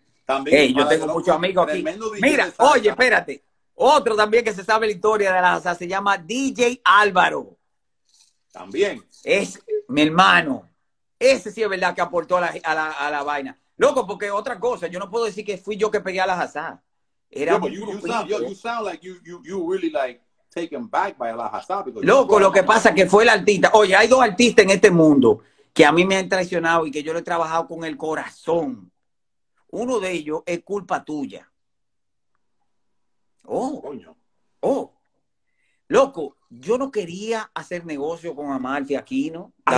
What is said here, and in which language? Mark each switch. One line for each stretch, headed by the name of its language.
Spanish: También hey, yo tengo muchos amigos aquí. Mira, oye, espérate. Otro también que se sabe la historia de la asa se llama DJ Álvaro. También. Es mi hermano. Ese sí es verdad que aportó a la vaina. Loco, porque otra cosa, yo no puedo decir que fui yo que pegué a la asa.
English: Era you sound like you really like taken back by la asa.
Spanish: Loco, lo que pasa es que fue el artista. Oye, hay dos artistas en este mundo que a mí me han traicionado y que yo lo he trabajado con el corazón. Uno de ellos es culpa tuya. Oh, coño. Loco, yo no quería hacer negocio con Amalfi Aquino.